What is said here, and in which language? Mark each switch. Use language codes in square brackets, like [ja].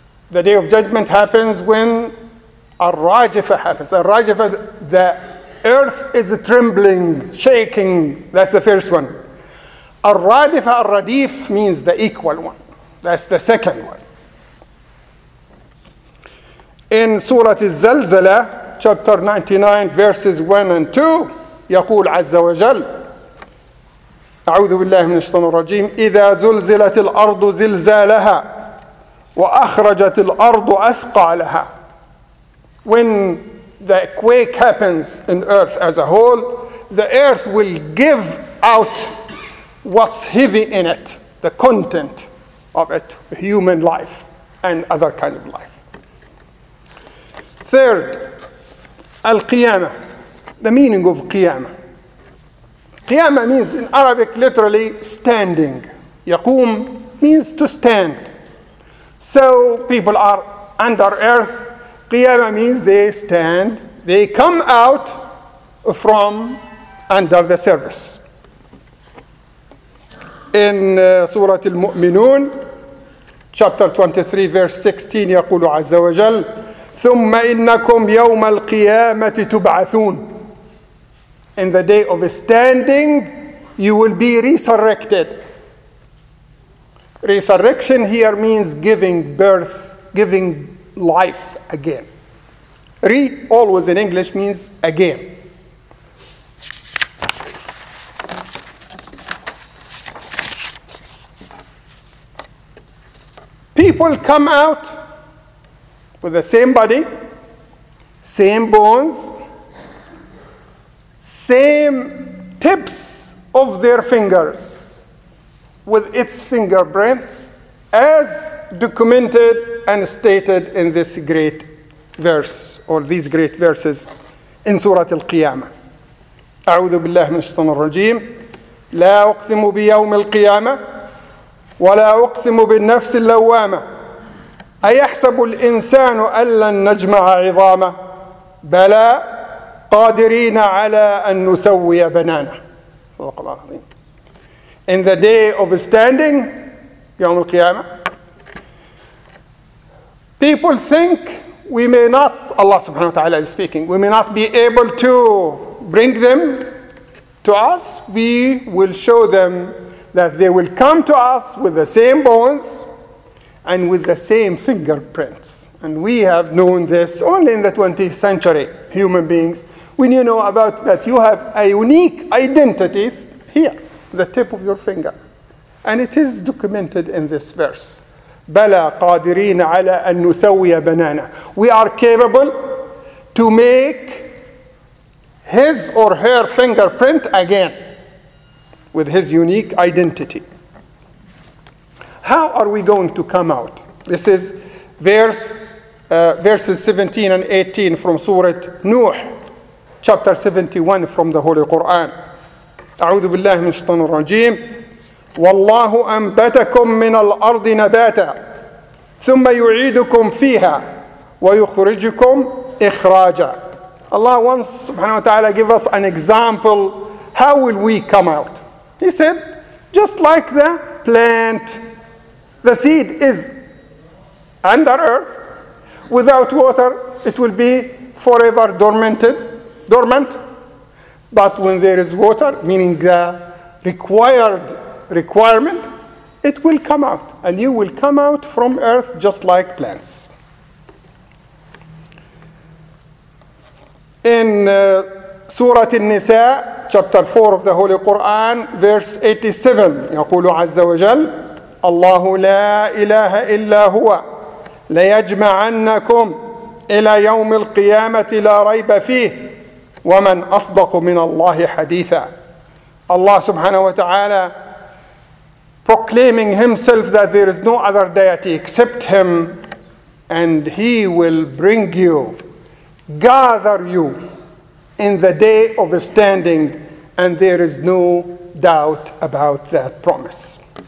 [en] The day of judgment happens when a rajifa happens. A rajifa, the earth is trembling, shaking. That's the first one. Al-radifa, al-radif means the equal one. That's the second one. In Surah Al-Zalzala, chapter 99, verses 1 and 2, [ar] يقول عز وجل, أعوذ بالله من الشيطان الرجيم, إذا زلزلت الأرض زلزالها وأخرجت الأرض أثقالها. [en] When the quake happens in earth as a whole, the earth will give out what's heavy in it, the content of it, human life and other kinds of life. Third, al-qiyamah, the meaning of qiyamah. Qiyamah means in Arabic literally standing. Yaqum means to stand. So people are under earth. Qiyamah means they stand, they come out from under the surface. In Surah Al-Mu'minun, chapter 23, verse 16, [ar] يقول عز وجل, ثُمَّ إِنَّكُمْ يَوْمَ الْقِيَامَةِ تُبْعَثُونَ. [en] In the day of standing, you will be resurrected. Resurrection here means giving birth, giving life again. Re, always in English, means again. People come out with the same body, same bones, same tips of their fingers, with its fingerprints, as documented and stated in this great verse, or these great verses in Surah Al-Qiyamah. [ar] أَعُوذُ بِاللَّهِ مِنْ الشَّيْطَانِ الرَّجِيمِ لَا أُقْسِمُ بِيَوْمِ الْقِيَامَةِ ولا أقسم بالنفس اللوامة أيحسب الإنسان أن لن نجمع عظامه بلى قادرين على أن نسوي بنانه. صدق الله العظيم. [en] In the day of standing, [ar] يوم القيامة, [en] people think we may not, Allah subhanahu wa ta'ala is speaking, we may not be able to bring them to us. We will show them that they will come to us with the same bones and with the same fingerprints. And we have known this only in the 20th century, human beings, when you know about that you have a unique identity here, the tip of your finger. And it is documented in this verse, [ar] بلى قادرين على أن نسوي بنانا. [en] We are capable to make his or her fingerprint again with his unique identity. How are we going to come out? This is verses 17 and 18 from Surah Nuh, chapter 71 from the Holy Quran. [ar] أعوذ بالله من الشيطان الرجيم. والله أنبتكم من الأرض نباتا ثم يعيدكم فيها ويخرجكم إخراجا. [en] Allah wants [ar] سبحانه وتعالى [en] give us an example. How will we come out? He said, just like the plant, the seed is under earth. Without water, it will be forever dormant. But when there is water, meaning the requirement, it will come out. And you will come out from earth just like plants. In Surah An-Nisa, chapter 4 of the Holy Quran, verse 87, [ar] يقول عز وجل, الله لا إله إلا هو ليجمعنكم إلى يوم القيامة لا ريب فيه ومن أصدق من الله حديثا. الله سبحانه وتعالى [en] proclaiming himself that there is no other deity except him, and he will bring you, gather you in the day of standing, and there is no doubt about that promise.